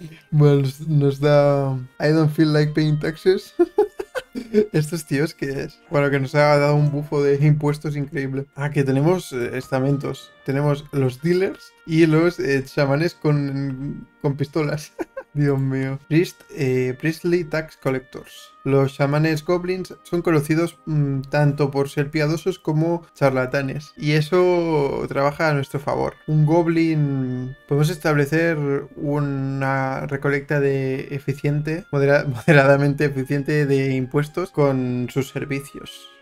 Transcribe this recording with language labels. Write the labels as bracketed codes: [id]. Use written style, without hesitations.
[es] Bueno, nos da [en] I don't feel like paying taxes. [es] ¿Estos tíos qué es? Bueno, que nos ha dado un bufo de impuestos increíble. Ah, que tenemos estamentos. Tenemos los dealers y los chamanes con pistolas. Dios mío. Priestly Tax Collectors. Los chamanes goblins son conocidos tanto por ser piadosos como charlatanes. Y eso trabaja a nuestro favor. Un goblin... Podemos establecer una recolecta de eficiente, moderadamente eficiente de impuestos con sus servicios.